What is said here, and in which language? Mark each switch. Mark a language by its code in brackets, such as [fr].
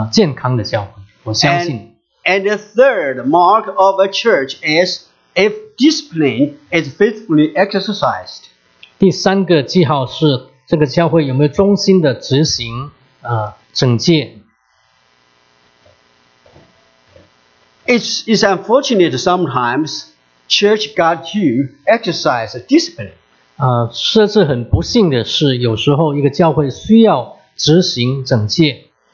[zh] 我不敢说那个不是一个真正的教会，但不是一个健康的教会。我相信。 [en] And the third mark of a church is if discipline is faithfully exercised. [zh] 第三个记号是这个教会有没有忠心的执行惩戒。 [en] It's unfortunate sometimes church got to exercise discipline. [zh] 这是很不幸的事，有时候一个教会需要执行惩戒。